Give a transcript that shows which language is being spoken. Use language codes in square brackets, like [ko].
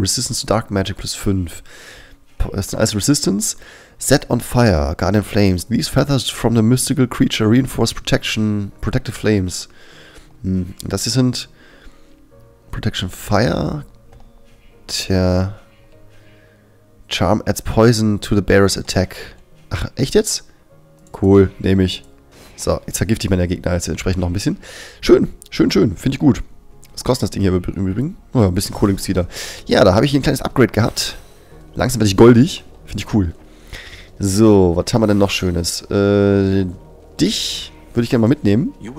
[en] Resistance to Dark Magic plus 5. [de] Das ist alles Resistance. [en] Set on Fire. Guardian Flames. These feathers from the mystical creature reinforce protection. Protective Flames. [de] Das hier sind Protection Fire. Tja. [en] Charm adds poison to the bearer's attack. [de] Ach, echt jetzt? Cool, nehme ich. So, jetzt vergifte ich meine Gegner jetzt entsprechend noch ein bisschen. Schön, schön, schön. Finde ich gut. Was kostet das Ding hier im Übrigen? Oh ja, ein bisschen Kohle gibt's wieder. Ja, da habe ich ein kleines Upgrade gehabt. Langsam werde ich goldig. Finde ich cool. So, was haben wir denn noch Schönes? Dich würde ich gerne mal mitnehmen.